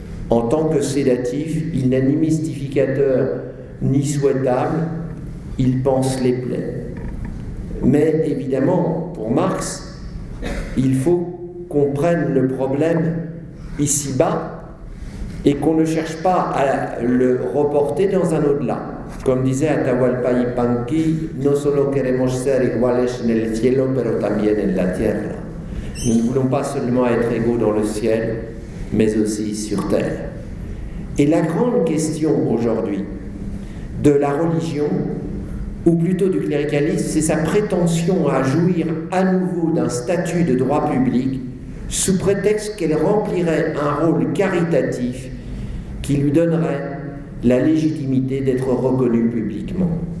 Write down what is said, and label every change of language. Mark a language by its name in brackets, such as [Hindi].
[French] En tant que sédatif, il n'est ni mystificateur ni souhaitable, il pense les plaies. Mais évidemment, pour Marx, il faut qu'on prenne le problème ici-bas et qu'on ne cherche pas à le reporter dans un au-delà. Comme disait [Spanish] Atahualpa Yupanqui, non solo queremos ser iguales en el cielo, pero también en la tierra. [French] Nous ne voulons pas seulement être égaux dans le ciel, mais aussi sur terre. Et la grande question aujourd'hui de la religion, ou plutôt du cléricalisme, c'est sa prétention à jouir à nouveau d'un statut de droit public sous prétexte qu'elle remplirait un rôle caritatif qui lui donnerait la légitimité d'être reconnue publiquement.